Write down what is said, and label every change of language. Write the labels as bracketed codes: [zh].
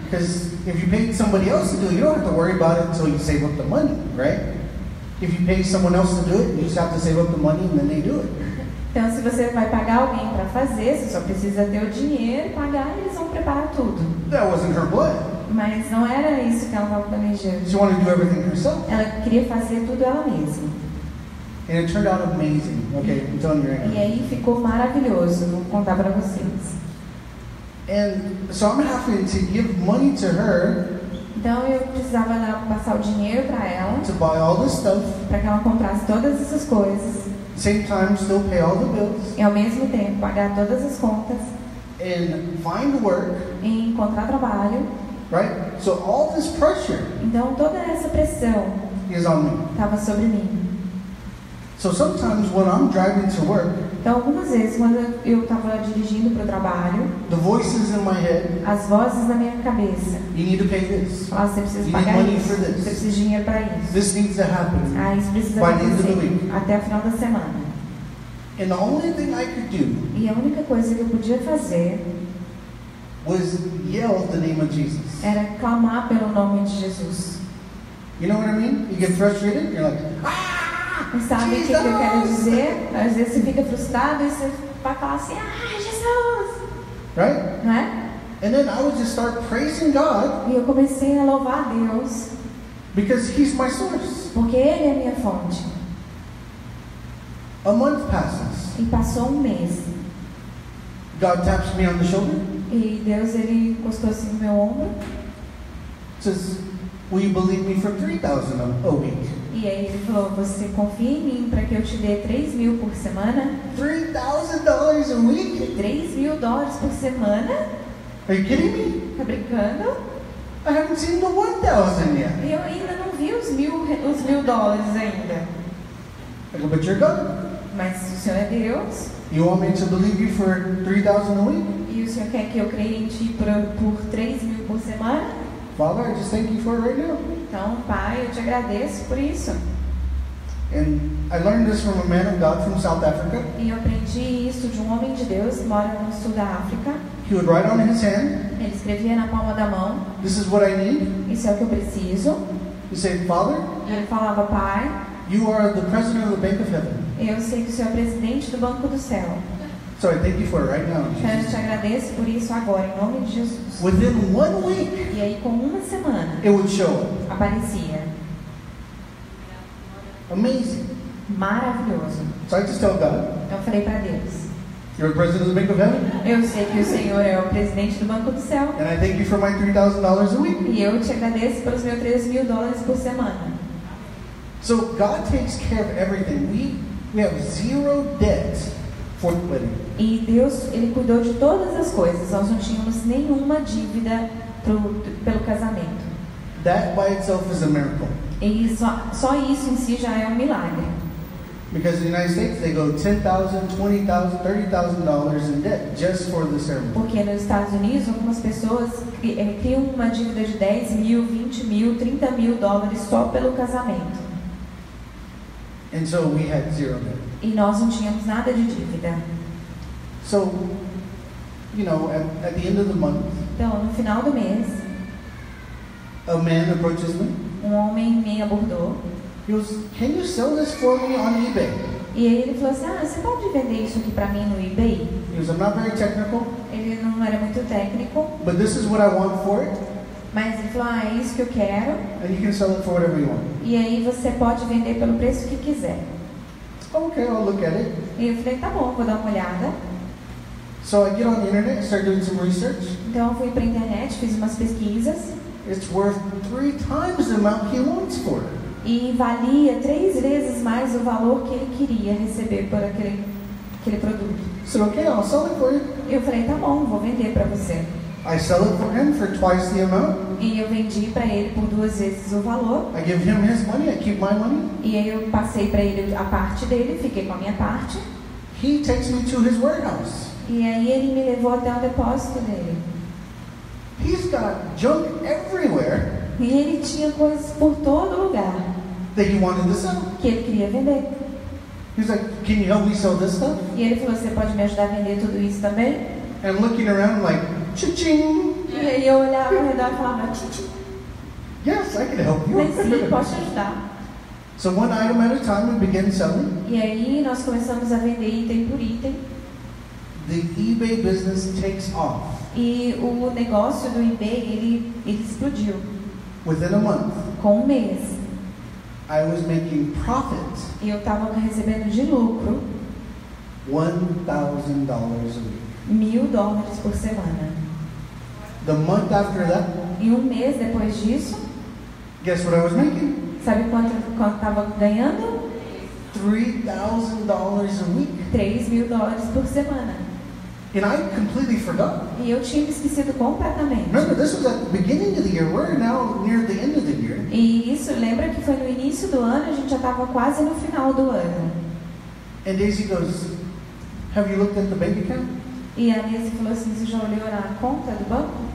[en] Because if you paid somebody else to do it, you don't have to worry about it until you save up the money, right? If you pay someone else to do it, you just have to save up the money and then they do it. [pt] Então, se você vai pagar alguém para fazer, você só precisa ter o dinheiro, pagar e eles vão preparar tudo. [en] That wasn't her plan. [pt] Mas não era isso que ela estava planejando. [en] She wanted to do everything herself. [pt] Ela queria fazer tudo ela mesma. [en] And it turned out amazing. Okay, I'm telling you right now. [pt] E aí ficou maravilhoso. Vou contar para vocês. [en] And so I'm having to give money to her. [pt] Então eu precisava passar o dinheiro para ela. [en] To buy all this stuff. [pt] Para que ela comprasse todas essas coisas. [en] Same time, still pay all the bills. [pt] E ao mesmo tempo pagar todas as contas. [en] And find work. [pt] E encontrar trabalho. [en] Right? So all this pressure. [pt] Então toda essa pressão. [en] Is on me. [pt] Tava sobre mim. [en] So sometimes when I'm driving to work. [pt] Então algumas vezes quando eu estava dirigindo para o trabalho. [en] The voices in my head. [pt] As vozes na minha cabeça. [en] You need to pay this. [pt] Ah, você precisa [en] you [pt] pagar [en] need [pt] isso. [en] For this. [pt] Você precisa de dinheiro para isso. [en] This needs to happen. [pt] Ah, isso precisa [en] by the end of the week. [pt] Até o final da semana. [en] And the only thing I could do. [pt] E a única coisa que eu podia fazer. [en] Was yell the name of Jesus. [pt] Era clamar pelo nome de Jesus. [en] You know what I mean? You get frustrated, you're like, [pt] ah! Sabe o que eu quero dizer? Às vezes você fica frustrado e você vai falar assim, ah, Jesus! [en] Right? [pt] Não é? [en] And then I would just start praising God. [pt] E eu comecei a louvar a Deus. [en] Because He's my source. [pt] Porque Ele é minha fonte. [en] A month passes. [pt] E passou um mês. [en] God taps me on the shoulder. [pt] E Deus, Ele encostou assim no meu ombro. [en] Says, will you believe me for 3,000 a week? [pt] E aí ele falou, você confia em mim para que eu te dê 3 mil por semana? [en] $3,000 a week? [pt] $3,000 por semana? [en] Are you kidding me? [pt] Tá brincando? [en] I haven't seen the 1,000 yet. [pt] E eu ainda não vi os mil dólares ainda. [en] I go, but you're God. [pt] Mas o Senhor é Deus. [en] You want me to believe you for 3,000 a week? [pt] E o Senhor quer que eu creia em ti por 3 mil por semana? [en] Father, I just thank you for it right now. [pt] Então, Pai, eu te agradeço por isso. [en] And I learned this from a man of God from South Africa. [pt] E eu aprendi isso de um homem de Deus que mora no sul da África. [en] He would write on his hand. [pt] Ele escrevia na palma da mão. [en] This is what I need. [pt] Isso é o que eu preciso. [en] He said, Father. [pt] E ele falava, Pai. [en] You are the president of the Bank of Heaven. [pt] Eu sei que o Senhor é presidente do Banco do Céu. [en] So I thank you for it right now. [pt] Eu te agradeço por isso agora, em nome de Jesus. [en] Within 1 week. [pt] E aí, com uma semana. [en] It would show. [pt] Aparecia. [en] Amazing. [pt] Maravilhoso. [en] So I just tell God. [pt] Eu falei para Deus. [en] You're the president of the Bank of Heaven. [pt] Eu sei que o Senhor é o presidente do Banco do Céu. [en] And I thank you for my $3,000 a week. [pt] E eu te agradeço pelos meus $3,000 por semana. [en] So God takes care of everything. We have zero debt. [pt] E Deus, Ele cuidou de todas as coisas. Nós não tínhamos nenhuma dívida pelo casamento. [en] That by itself is a miracle. [pt] E só isso em si já é um milagre. [en] Because in the United States they go $10,000, $20,000, $30,000 in debt just for the ceremony. [pt] Porque nos Estados Unidos algumas pessoas têm uma dívida de $10,000, $20,000, $30,000 só pelo casamento. [en] And so we had zero debt. [pt] E nós não tínhamos nada de dívida. [en] So, you know, at the end of the month. [pt] Então, no final do mês. [en] A man approaches me. [pt] Um homem me abordou. [en] He goes, can you sell this for me on eBay? [pt] E aí ele falou assim, ah, você pode vender isso aqui para mim no eBay? [en] He goes, I'm not very technical. [pt] Ele não era muito técnico. [en] But this is what I want for it. [pt] Mas ele falou, ah, é isso que eu quero. [en] And you can sell it for whatever you want. [pt] E aí você pode vender pelo preço que quiser. [en] Okay, I'll look at it. [pt] E eu falei, tá bom, vou dar uma olhada. [en] So I get on the internet, start doing some research. [pt] Então eu fui para a internet, fiz umas pesquisas. [en] It's worth 3 times the amount he wants for. [pt] E valia 3 vezes mais o valor que ele queria receber por aquele produto. [en] So okay, I'll sell it for you. [pt] Eu falei, tá bom, vou vender para você. [en] I sell it for him for twice the amount. [pt] E eu vendi para ele por 2 vezes o valor. [en] I give him his money, I keep my money. [pt] E aí eu passei para ele a parte dele, fiquei com a minha parte. [en] He takes me to his warehouse. [pt] E aí ele me levou até o depósito dele. [en] He's got junk everywhere. [pt] E ele tinha coisas por todo lugar. [en] That he wanted to sell. [pt] Que ele queria vender. [en] He's like, can you help me sell this stuff? [pt] E ele falou, você pode me ajudar a vender tudo isso também? [en] And looking around like, tchim. [pt] E aí eu olhava ao redor e falava, tchim. [en] Yes, I can help you. [pt] Mas sim, posso ajudar. [en] So one item at a time we began selling. [pt] E aí nós começamos a vender item por item. [en] The eBay business takes off. [pt] E o negócio do eBay, ele explodiu. [en] Within a month. [pt] Com um mês. [en] I was making profit. [pt] E eu estava recebendo de lucro. [en] $1,000 a week. [pt] $1,000 por semana. [en] The month after that, [pt] e um mês depois disso, [en] guess what I was making? [pt] Sabe quanto eu estava ganhando? [en] $3,000 a week. [pt] $3,000 por semana. [en] And I completely forgot. [pt] E eu tinha me esquecido completamente. [en] Remember, this was at the beginning of the year. We're now near the end of the year. [pt] E isso, lembra que foi no início do ano, a gente já estava quase no final do ano. [en] And Daisy goes, have you looked at the bank account? [pt] E a Daisy falou assim, você já olhou na conta do banco?